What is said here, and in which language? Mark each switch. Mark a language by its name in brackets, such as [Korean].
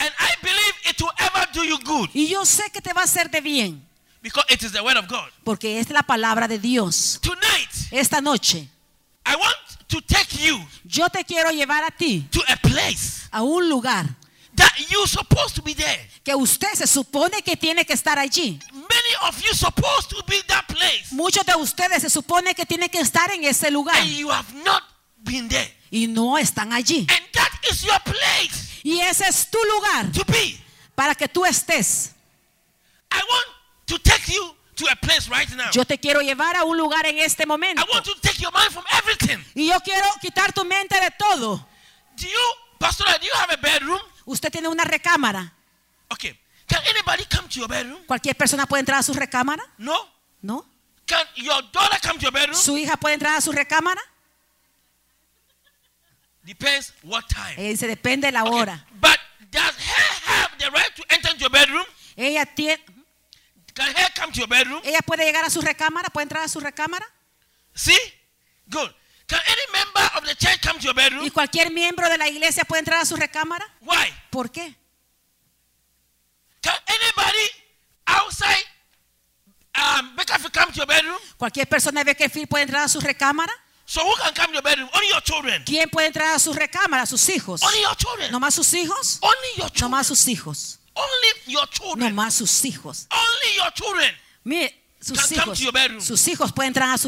[English] And I believe it will ever do you good. [Spanish] Y yo sé que te va a hacer de bien. [English] Because it is the word of God. [Spanish] Porque es la palabra de Dios. [English] Tonight. [Spanish] Esta noche. [English] I want to take you. [Spanish] Yo te quiero llevar a ti. [English] To a place. [Spanish] A un lugar. [English] That you supposed to be there. [Spanish] Que usted se supone que tiene que estar allí. [English] Many of you supposed to be that place. [Spanish] Muchos de ustedes se supone que tienen que estar en ese lugar. [English] And you have not been there. [Spanish] Y no están allí. [English] And that is your place. [Spanish] Y ese es tu lugar. [English] To be. [Spanish] Para que tú estés. [English] I want to take you to a place right now. [Spanish] Yo te quiero llevar a un lugar en este momento. [English] I want to take your mind from everything. [Spanish] Y yo quiero quitar tu mente de todo. [English] Do you, Pastor, do you have a bedroom? [Spanish] ¿Usted tiene una recámara? [English] Okay. Can anybody come to your bedroom? [Spanish] ¿Cualquier persona puede entrar a su recámara? [English] No. [Spanish] ¿No? [English] Can your daughter come to your bedroom? [Spanish] ¿Su hija puede entrar a su recámara? [English] Depends what time. [Spanish] Se depende la hora. [English] Okay. But does her have the right to enter into your bedroom? [Spanish] Ella tiene. [English] Can her come to your bedroom? [Spanish] ¿Ella puede llegar a su recámara? ¿Puede entrar a su recámara? Sí. [English] Good. Can any member of the church come to your bedroom? [Spanish] ¿Y cualquier miembro de la iglesia puede entrar a su recámara? [English] Why? [Spanish] ¿Por qué? [English] Can anybody outside Beckerfield come to your bedroom? [Spanish] ¿Cualquier persona de Beckerfield puede entrar a su recámara? [English] So who can come to your bedroom? Only your children. [Spanish] ¿Quién puede entrar a su recámara? Sus hijos. [English] Only your children. [Spanish] ¿No más sus hijos? [English] Only your children. [Spanish] ¿No más sus hijos? [English] Only your children. [Spanish] ¿No más sus hijos? [English] Only your children. [Spanish] Mire, sus [English] can [Spanish] hijos. [English] Come to your bedroom. [Spanish] Sus hijos pueden entrar a su